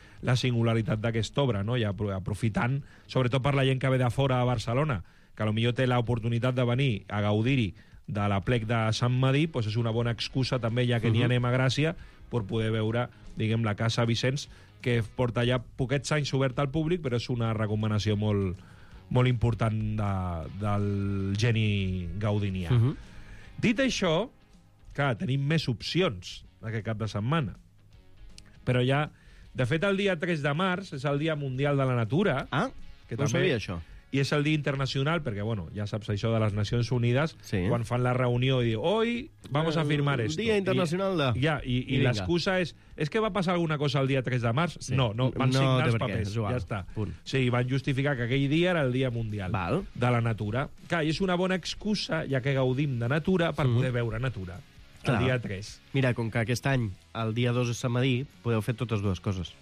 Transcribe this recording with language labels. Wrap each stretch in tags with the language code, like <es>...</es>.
<ca>la singularitat d'aquesta obra, no? I aprofitant, sobretot per la gent que ve de fora a Barcelona, que potser té l'oportunitat de venir a gaudir-hi de l'aplec de Sant Madí, doncs és una bona excusa també, ja que n'hi anem a Gràcia, per poder veure, diguem, la Casa Vicenç, que porta ja poquets anys oberta al públic, però és una recomanació molt, molt important del geni gaudinià. Dit això, clar, tenim més opcions aquest cap de setmana. Però ja... De fet, el dia 3 de març és el Dia Mundial de la Natura. Ah, que no també... sabia això. I és el dia internacional, perquè, bueno, ja saps això de les Nacions Unides, sí, quan fan la reunió i diuen,</ca> <es>hoy vamos a firmar esto.</es> <ca>Dia internacional de... I, ja, i l'excusa és, que va passar alguna cosa el dia 3 de març? Sí. No, van no signar els papers, què, ja està. Punt. Sí, van justificar que aquell dia era el Dia Mundial, val, de la Natura. Clar, i és una bona excusa, ja que gaudim de natura, per poder veure natura. Clar. El dia 3. Mira, com que aquest any el dia 2 és Sant Madí, podeu fer totes dues coses.</ca>